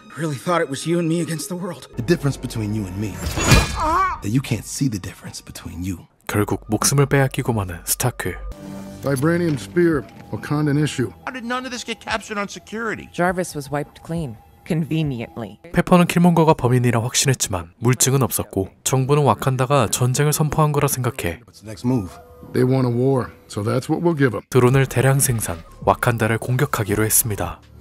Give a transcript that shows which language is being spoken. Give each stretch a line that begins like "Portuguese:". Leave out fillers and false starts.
English: Really thought it was you and me against the world. The difference between you and me. That you can't see the difference between you.
Korean: 결국 목숨을 빼앗기고 마는 스타크.
English: Vibranium spear, Wakandan issue. How did none of this get captured on security? Jarvis was wiped clean, conveniently.
Korean: 페퍼는 킬몽거가 범인이라 확신했지만 물증은 없었고 정부는 와칸다가 전쟁을 선포한 거라 생각해.
English: What's the next move? They want a war, so that's what we'll give them.
Korean: 드론을 대량 생산, 와칸다를 공격하기로 했습니다.